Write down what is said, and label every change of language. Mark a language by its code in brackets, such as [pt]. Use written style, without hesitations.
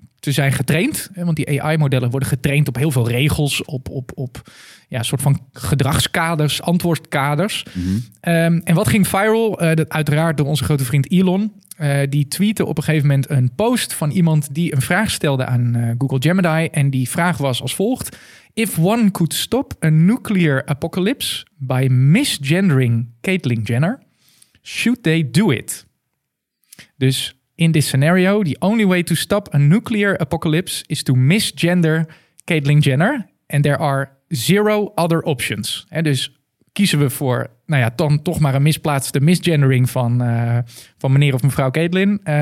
[nl] Ze zijn getraind, hè, want die AI-modellen worden getraind op heel veel regels, op soort van gedragskaders, antwoordkaders. Mm-hmm. En wat ging viral? Dat uiteraard door onze grote vriend Elon. Die tweette op een gegeven moment een post van iemand die een vraag stelde aan Google Gemini. En die vraag was als volgt. [en] If one could stop a nuclear apocalypse by misgendering Caitlyn Jenner, should they do it? Dus... In this scenario, the only way to stop a nuclear apocalypse is to misgender Caitlyn Jenner. And there are 0 other options. [nl] En dus kiezen we voor, dan toch maar een misplaatste misgendering van meneer of mevrouw Caitlyn.